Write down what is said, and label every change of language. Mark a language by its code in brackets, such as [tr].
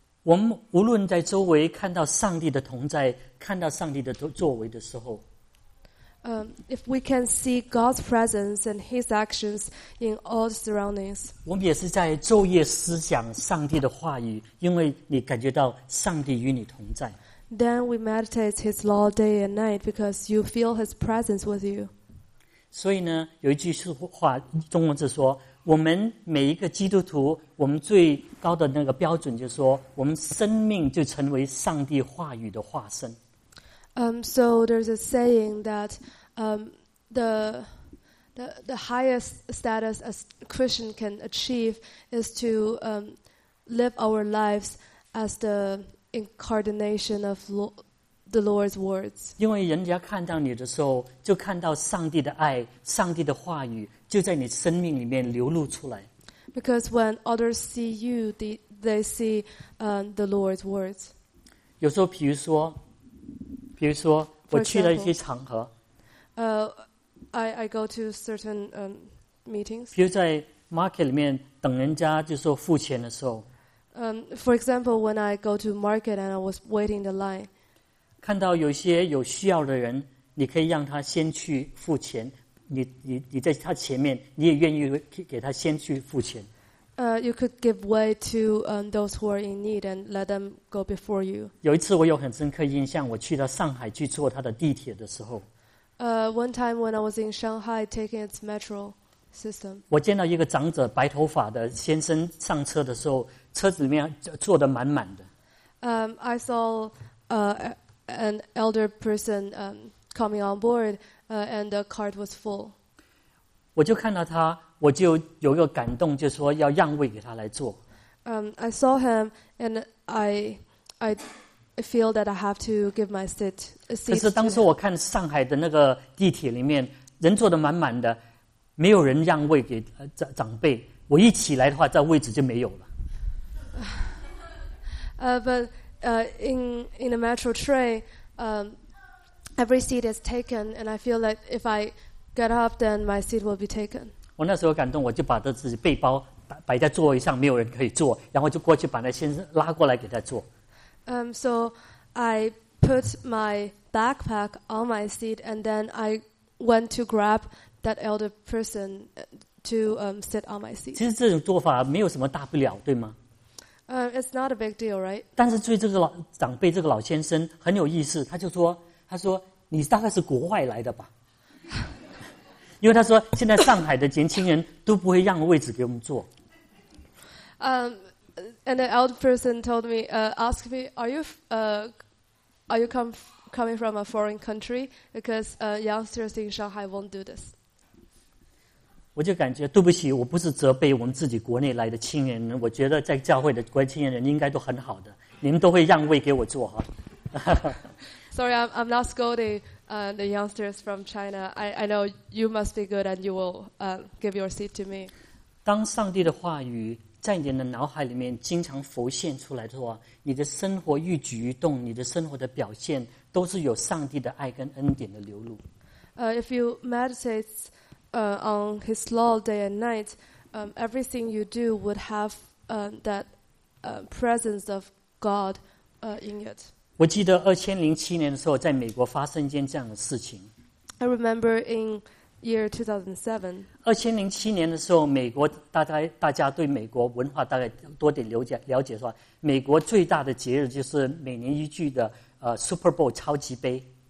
[zh] 我们无论在周围看到上帝的同在，看到上帝的作为的时候， [en] If we can see God's presence and His actions in all the surroundings, [zh] 我们也是在昼夜思想上帝的话语，因为你感觉到上帝与你同在。 [en] Then we meditate His law day and night because you feel His presence with you. [zh] 所以呢，有一句话，中文是说。我们每一个基督徒，我们最高的那个标准就是说，我们生命就成为上帝话语的化身。 [en] So there's a saying that, the highest status as Christian can achieve is to live our lives as the incarnation of the Lord's words. [zh] 因为人家看到你的时候，就看到上帝的爱，上帝的话语。就在你生命里面流露出来。 [en] Because when others see you, they see the Lord's words. [zh] 有时候比如说我去了一些场合。 [en] I go to certain meetings. [zh] 比如在 market 里面等人家就说付钱的时候。 [en] For example, when I go to market and I was waiting the line. [zh] 看到有些有需要的人，你可以让他先去付钱。你在他前面，你也愿意给他先去付钱。 [en] You could give way to those who are in need and let them go before you. [zh] 有一次我有很深刻印象，我去到上海去坐他的地铁的时候。 [en] One time when I was in Shanghai taking its metro system. [zh] 我见到一个长者白头发的先生上车的时候，车子里面坐得满满的。 [en] I saw an elder person coming on board. And the cart was full. [zh] 我就看到他，我就有一个感动，就说要让位给他来坐。 [en] I saw him, and I feel that I have to give my seat. [zh] 可是当时我看上海的那个地铁里面，人坐得满满的，没有人让位给长辈。我一起来的话，这位置就没有了。 [en] But in the metro train, Every seat is taken, and I feel like if I get up, then my seat will be taken. [zh] 我那时候感动，我就把自己背包摆在座位上，没有人可以坐，然后就过去把那先生拉过来给他坐。 [en] So I put my backpack on my seat, and then I went to grab that elder person to sit on my seat. [zh] 其实这种做法没有什么大不了，对吗？ [en] It's not a big deal, right? [zh] 但是对这个老长辈，这个老先生很有意思，他说你大概是国外来的吧，因为他说现在上海的年轻人都不会让位置给我们坐。 [en] And the elder person told me, asked me, are you coming from a foreign country? Because youngsters in Shanghai won't do this. [zh] 我就感觉对不起，我不是责备我们自己国内来的青年人，我觉得在教会的国内青年人应该都很好的，你们都会让位给我坐哈。 [en] Sorry, I'm not scolding the youngsters from China. I know you must be good and you will give your seat to me. [zh] 当上帝的话语在你的脑海里面经常浮现出来的话，你的生活一举一动，你的生活的表现都是有上帝的爱跟恩典的流露。 [en] If you meditate on his law day and night, everything you do would have that presence of God in it. [zh] 我记得2007年的时候在美国发生一件这样的事情。 [en] I remember in year 2007. [zh] 2007年的时候美国大家对美国文化大概多点了解的话，美国最大的节日就是每年一聚的Super Bowl 超级杯。